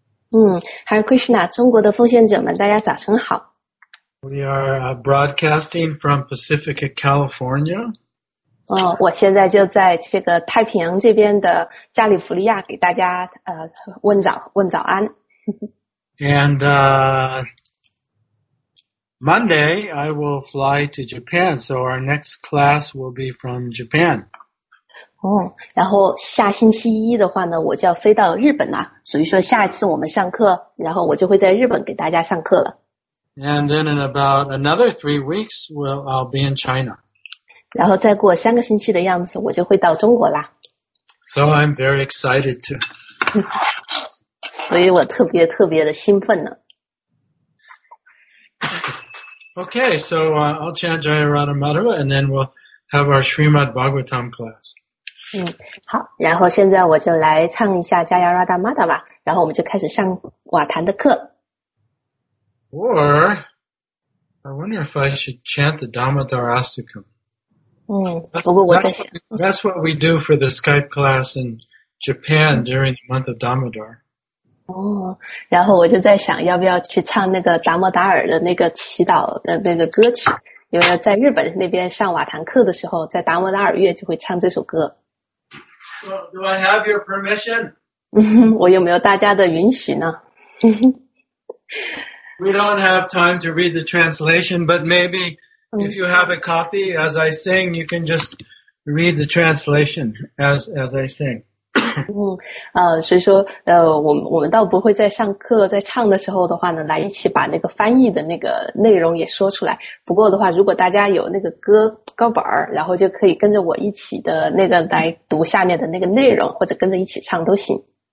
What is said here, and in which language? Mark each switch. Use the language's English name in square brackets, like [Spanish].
[Chinese] Hare Krishna, 中国的奉献者们大家早晨好。 [English] We are broadcasting from Pacifica, California. [Chinese] 我现在就在这个太平洋这边的加利福尼亚给大家问早安。 [English] And Monday I will fly to Japan, so our next class will be from Japan. [Chinese] 然后下星期一的话呢，我就要飞到日本了。所以说下一次我们上课，然后我就会在日本给大家上课了。 [English] And then in about another 3 weeks, I'll be in China. [Chinese] 然后再过三个星期的样子，我就会到中国啦。 [English] So I'm very excited too. [Chinese] 所以我特别特别的兴奋呢。 [English] Okay, so I'll chant Jaya Radha Madhava, and then we'll have our Srimad Bhagavatam class. [Chinese] 好，然后现在我就来唱一下 Jaya Radha Madhava, 然后我们就开始上瓦坛的课。 [English] Or, I wonder if I should chant the Dhamma Dharasthikam. That's what we do for the Skype class in Japan during the month of Dhammadhar. [Chinese] 然后我就在想要不要去唱那个达摩达尔的那个祈祷的那个歌曲，因为在日本那边上瓦坛课的时候，在达摩达尔月就会唱这首歌。 [English] So, do I have your permission? [Chinese] 我有没有大家的允许呢？ [English] We don't have time to read the translation, but maybe if you have a copy as I sing, you can just read the translation as I sing. [Chinese] 所以说我们倒不会在上课在唱的时候的话呢来一起把那个翻译的那个内容也说出来。不过的话如果大家有那个歌本然后就可以跟着我一起的那个来读下面的那个内容或者跟着一起唱都行。